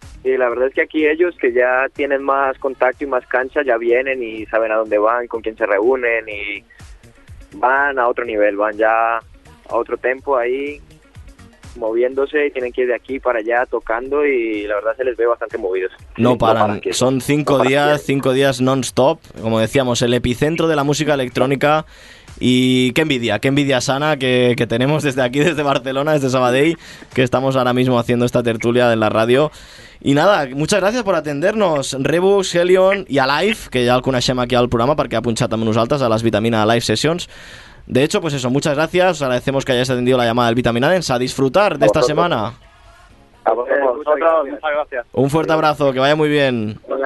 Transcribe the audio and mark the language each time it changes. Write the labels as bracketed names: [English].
[Spanish] Sí, la verdad es que aquí ellos, que ya tienen más contacto y más cancha, ya vienen y saben a dónde van, con quién se reúnen y van a otro nivel, van ya a otro tempo ahí, moviéndose, y tienen que ir de aquí para allá tocando y la verdad se les ve bastante movidos. No paran. Son cinco días non-stop, como decíamos, el epicentro de la música electrónica. Y qué envidia sana que tenemos desde aquí, desde Barcelona, desde Sabadell, que estamos ahora mismo haciendo esta tertulia en la radio. Y nada, muchas gracias por atendernos, Rebus, Helion y Alive, que ya [Catalan] el coneixem aquí al programa perquè ha punxat amb nosaltres a les Vitamina Live Sessions. [Spanish] De hecho, pues eso, muchas gracias, os agradecemos que hayáis atendido la llamada del Vitamina Dance. A disfrutar de esta semana. A vosotros, muchas gracias. Un fuerte abrazo, que vaya muy bien.